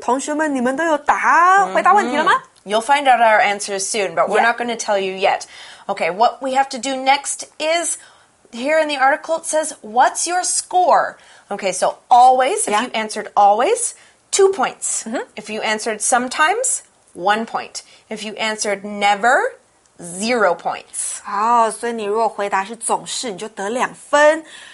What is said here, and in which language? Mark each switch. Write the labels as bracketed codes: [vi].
[zh] 同学们，你们都有答回答问题了吗 [en] ？You'll find out our answers soon, but we're not going to tell you yet. Okay, what we have to do next is. Here in the article, it says, what's your score? Okay, so always, if you answered always, 2 points. If you answered sometimes, 1 point. If you answered never, 0 points. [zh] 好，所以你如果回答是总是，你就得两分。